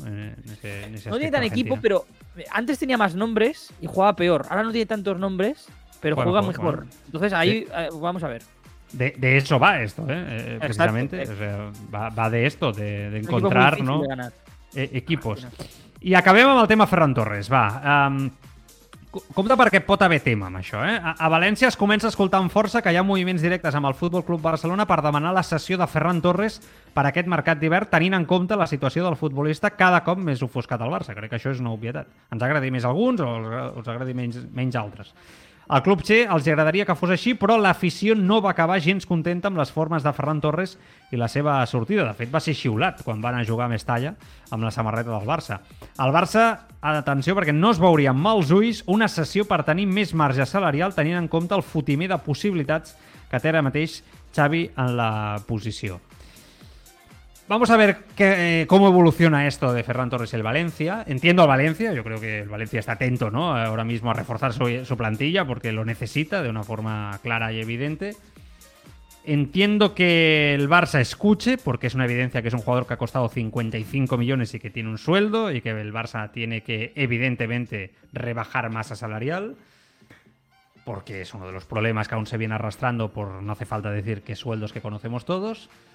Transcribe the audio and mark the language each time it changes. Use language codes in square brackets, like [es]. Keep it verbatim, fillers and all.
[es] En ese, en ese no tiene tan argentino. Equipo, pero antes tenía más nombres y jugaba peor. Ahora no tiene tantos nombres, pero bueno, juega mejor. Bueno. Entonces ahí sí. Vamos a ver. De, de eso va esto, ¿eh? Exacto, precisamente. Exacto. O sea, va, va de esto, de, de encontrar equipo, ¿no?, de eh, equipos. [ca] I acabem amb el tema Ferran Torres, va. Um, compte perquè pot haver tema amb això, eh? A, a València es comença a escoltar amb força que hi ha moviments directes amb el Futbol Club Barcelona per demanar la cessió de Ferran Torres per aquest mercat d'hivern, tenint en compte la situació del futbolista cada cop més ofuscat al Barça. Crec que això és una obvietat. Ens agradi més alguns o ens agradi menys, menys altres. Al Club Che els agradaria que fos així, però l'afició no va acabar gens contenta amb les formes de Ferran Torres i la seva sortida. De fet, va ser xiulat quan van a jugar a Mestalla amb la samarreta del Barça. El Barça, atenció, perquè no es veuria amb mals ulls una cessió per tenir més marge salarial tenint en compte el fotimer de possibilitats que té ara mateix Xavi en la posició. [es] Vamos a ver que, eh, cómo evoluciona esto de Ferran Torres y el Valencia. Entiendo al Valencia, yo creo que el Valencia está atento, ¿no?, ahora mismo a reforzar su, su plantilla porque lo necesita de una forma clara y evidente. Entiendo que el Barça escuche porque es una evidencia que es un jugador que ha costado cincuenta y cinco millones y que tiene un sueldo y que el Barça tiene que evidentemente rebajar masa salarial, porque es uno de los problemas que aún se viene arrastrando por, no hace falta decir, que sueldos que conocemos todos.